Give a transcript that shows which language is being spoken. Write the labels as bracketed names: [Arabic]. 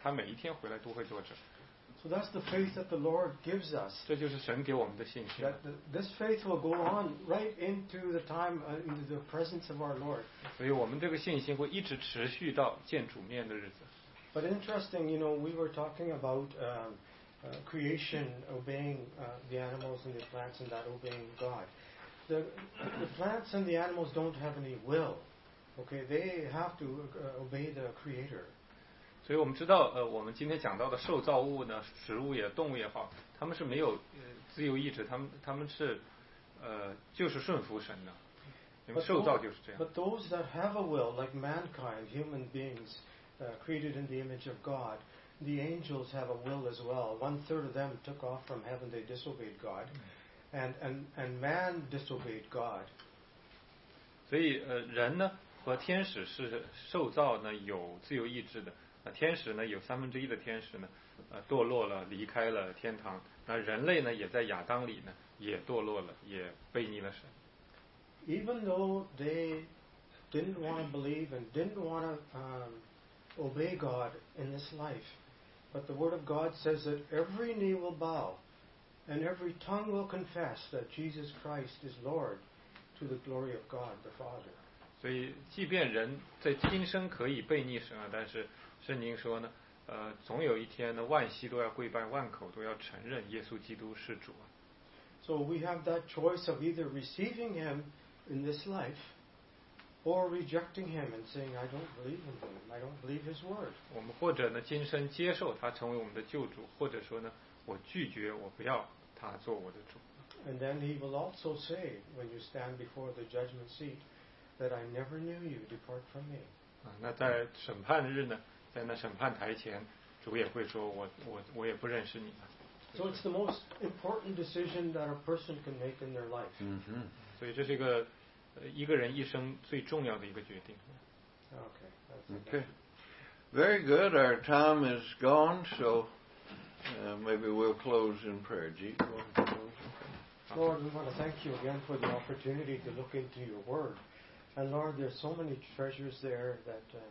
[Chinese] 所以雅各书说呢，没有行为的信心是死的。所以对于只有刚才举这个椅子的例子，他研究不行，他得坐下。当他坐了一次以后呢，他不会就停了。他第二天回来还会坐着，他每一天回来都会坐着。 [English] So that's the faith that the Lord gives us. [Chinese] 这就是神给我们的信心。 [English] That this faith will go on right into the time into the presence of our Lord. [Chinese] 所以我们这个信心会一直持续到见主面的日子。 [English] But interesting, you know, we were talking about creation obeying the animals and the plants and that obeying God. The plants and the animals don't have any will. Okay, they have to obey the creator. [Chinese] 所以我们知道，我们今天讲到的受造物呢，食物也动物也好，他们是没有自由意志，他们是就是顺服神的，因为受造就是这样。 [English] But those that have a will, like mankind, human beings, created in the image of God, the angels have a will as well. One third of them took off from heaven; they disobeyed God, and man disobeyed God. [Chinese] 所以人呢和天使是受造呢有自由意志的，天使呢有三分之一的天使呢堕落了，离开了天堂，那人类呢也在亚当里呢也堕落了，也背逆了神。 [English] Even though they didn't want to believe and didn't want to obey God in this life, but the word of God says that every knee will bow and every tongue will confess that Jesus Christ is Lord to the glory of God the Father. [Chinese] 所以即便人在今生可以背逆神啊，但是圣经说呢，总有一天呢，万膝都要跪拜，万口都要承认耶稣基督是主啊。 [English] So we have that choice of either receiving him in this life, or rejecting him and saying, I don't believe in him, I don't believe his word. [Chinese] 我们或者呢，今生接受他成为我们的救主，或者说呢，我拒绝，我不要他做我的主。 [English] And then he will also say, when you stand before the judgment seat, that I never knew you, depart from me. [Chinese] 啊，那在审判日呢？在那审判台前，主也会说我也不认识你了。 [English] So it's the most important decision that a person can make in their life. 嗯哼。 [Chinese] 所以这是一个人一生最重要的一个决定。 [English] Okay. Okay. Very good. Our time is gone, so maybe we'll close in prayer. Lord, we want to thank you again for the opportunity to look into your word. And Lord, there's so many treasures there that.